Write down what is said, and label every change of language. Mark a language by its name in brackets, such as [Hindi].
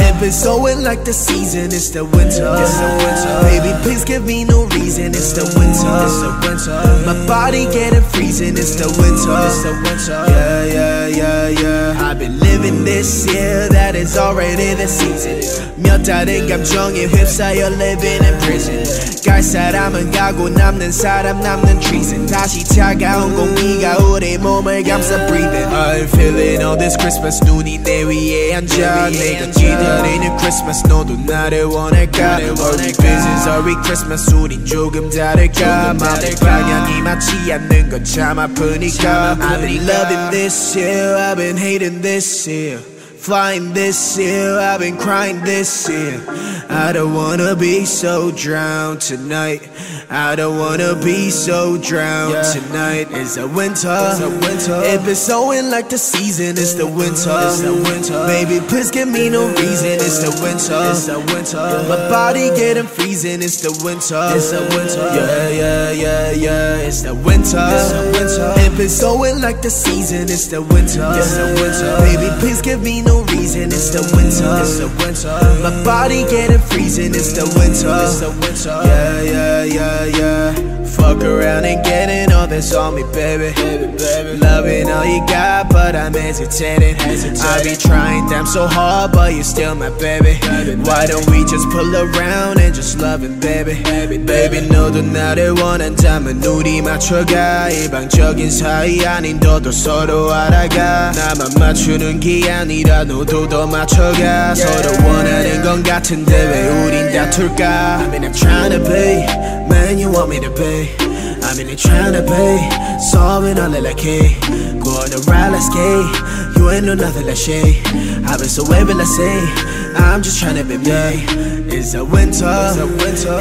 [English] If it's snowing like the season, it's the winter. It's the winter. Baby, please give me no reason. It's the winter. It's the winter. My body getting freezing. It's the winter. It's the winter. Yeah. I've been living this year. That is already the season. [Korean] 몇 달은 감정에 휩싸여 [English] living in prison. [Korean] 갈 사람은 가고 남는 사람 남는 treason. 다시 차가운 공기가 우리 몸을 감싸 breathing. [English] I'm feeling all this Christmas. [Korean] 눈이 내 위에 앉아. 내가 기다리는 Christmas. 너도 나를 원할까? [English] Are we business? Are we Christmas? [Korean] 우린 조금 다를까? 마음의 방향이 맞지 않는 건 참 아프니까. [English] I've been loving this year. I've been hating this year. Flying this year, I've been crying this year. I don't wanna be so drowned tonight. I don't wanna be so drowned tonight. It's the winter. If it's snowing like the season, it's the winter. It's the winter. Baby, please give me no reason. It's the winter. It's the winter. My body getting freezing. It's the winter. It's the winter. Yeah. It's the winter. It's the winter. If it's snowing like the season, it's the winter. It's the winter. Baby, please give me no reason. It's the winter. It's the winter. My body getting freezing. It's the winter. It's the winter. Yeah. Fuck around and getting all this on me, baby. Loving all you got, but I'm hesitating. I be trying damn so hard, but you're still my baby. Why don't we just pull around and just love it, baby? [Korean] Baby, 너도 나를 원한다면 눈이 맞춰가. 일방적인 사이 아닌 너도 서로 알아가. 나만 맞추는 게 아니라 너도 더 맞춰가. 서로 원하는 건 같은데 왜 우린 다툴까? [English] I mean I'm trying to be, man you want me to be. I mean I'm trying to be, solving all that like hate. Going around like skate, you ain't no nothing like shade. I've been so wavy like say, I'm just trying to be me. It's a winter.